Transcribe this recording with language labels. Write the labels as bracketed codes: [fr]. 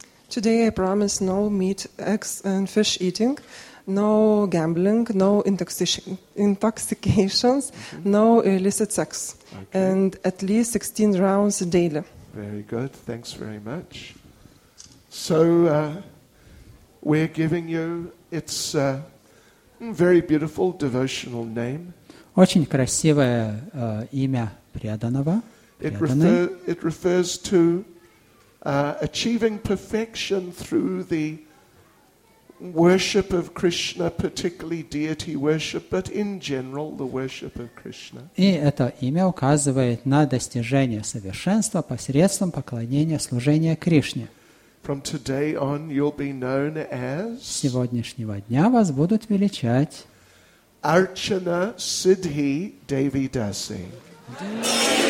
[en] Today I promise no meat, eggs and fish eating, no gambling, no intoxications, mm-hmm. no illicit sex, okay. And at least 16 rounds daily. Very good, thanks very much. So we're giving you, it's a very beautiful devotional name. [ru] Очень красивое имя преданного. [en] It refers to achieving perfection through the worship of Krishna, particularly deity worship, but in general the worship of Krishna. [ru] И это имя указывает на достижение совершенства посредством поклонения служения Кришне. [en] From today on, you'll be known as. [ru] С сегодняшнего дня вас будут величать. [sa] Archana Siddhi Devi Dasi.